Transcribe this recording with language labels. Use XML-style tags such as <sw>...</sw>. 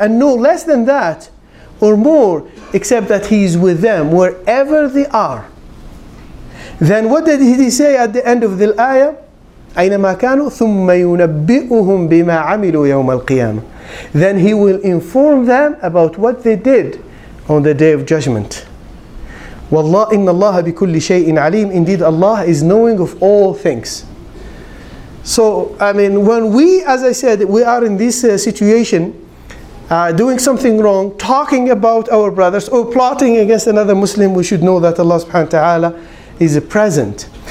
<en>And no less than that or more, except that He is with them wherever they are. Then what did He say at the end of the ayah?</en> <ar>أَيْنَمَا كَانُوا ثُمَّ يُنَبِّئُهُمْ بِمَا عَمِلُوا يَوْمَ الْقِيَامَةِ.</ar> <en>Then He will inform them about what they did on the Day of Judgment.</en> <ar>والله إن الله بكل شيء عليم.</ar> <en>Indeed, Allah is knowing of all things. So, I mean, when we, as I said, we are in this situation, doing something wrong, talking about our brothers, or plotting against another Muslim, we should know that Allah subhanahu wa ta'ala is present.</en>